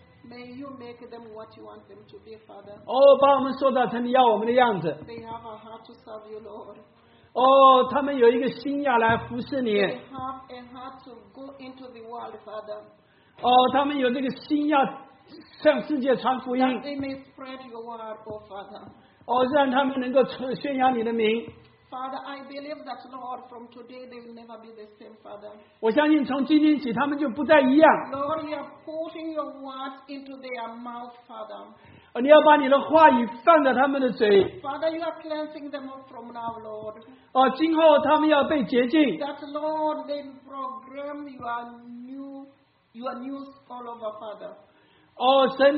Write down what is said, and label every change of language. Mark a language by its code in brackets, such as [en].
[en] May you make them what you want them to be, Father. [zh] 哦，把我们塑造成你要我们的样子。 [en] They have a heart to serve you, Lord. [zh] 哦，他们有一个心要来服侍你。 [en] They have a heart to go into the world, Father. [zh] 哦，他们有这个心要向世界传福音。 [en] That they may spread your word, O Father. [zh] 哦，让他们能够宣扬你的名。 [en] Father, I believe that, Lord, from today they will never be the same, Father. [zh] 我相信从今天起他们就不再一样。 [en] Lord, you are putting your words into their mouth, Father. [zh] 你要把你的话语放在他们的嘴。 [en] Father, you are cleansing them from now, Lord. [zh] 今后他们要被洁净。 [en] That, Lord, they program your new all over, Father.